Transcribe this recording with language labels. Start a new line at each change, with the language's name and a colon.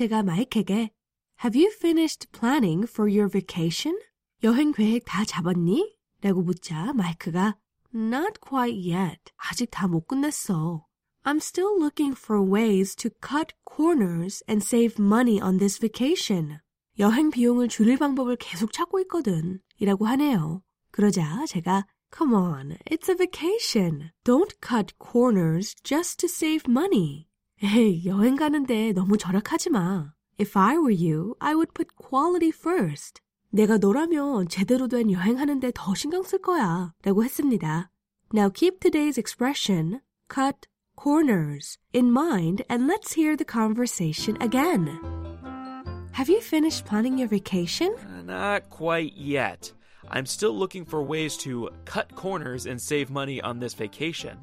English: Have you finished planning for your vacation?
Korean: 여행 계획 다 잡았니? 라고 묻자 마이크가
English: Not quite yet.
Korean: 아직 다 못 끝냈어.
English: I'm still looking for ways to cut corners and save money on this vacation.
Korean: 여행 비용을 줄일 방법을 계속 찾고 있거든. 이라고 하네요. 그러자 제가
English: Come on, it's a vacation. Don't cut corners just to save money.
Korean: 에이, 여행 가는데 너무 절약하지 마.
English: If I were you, I would put quality first.
Korean: 내가 너라면 제대로 된 여행하는데 더 신경 쓸 거야. 라고 했습니다.
English: Now keep today's expression, cut corners, in mind and let's hear the conversation again. Have you finished planning your vacation? Not quite yet. I'm still looking for ways to cut corners and save money on this vacation.